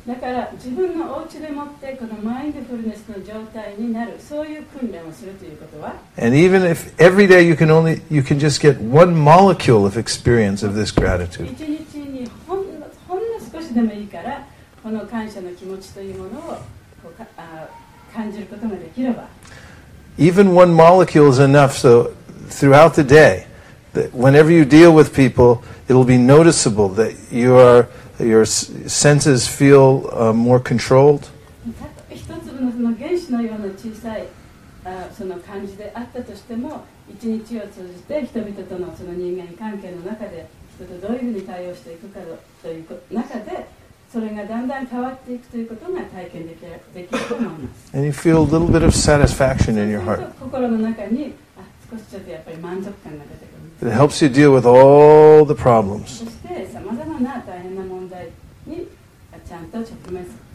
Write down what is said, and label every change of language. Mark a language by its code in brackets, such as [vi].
[ja] だから自分のお家でもってこのマインドフルネスの状態になるそういう訓練をするということは。 [en] And even if every day you can just get one molecule of experience of this gratitude. [ja] 一日にしでもいいからこの感謝の気持ちというものをこうあ感じることができれば [en] Even one molecule is enough so throughout the day that whenever you deal with people it will be noticeable that you are, your senses feel more controlled [ja] 一粒のその原子のような小さいその感じであったとしても一日を通じて人々とのその人間関係の中で人とどういうふうに対応していくかという中でそれがだんだん変わっていくということが体験できると思います [en] And you feel a little bit of satisfaction in your heart [ja] 心の中に少しちょっとやっぱり満足感が出てくる [en] It helps you deal with all the problems [ja] そしてさまざまな大変な問題にちゃんと直面する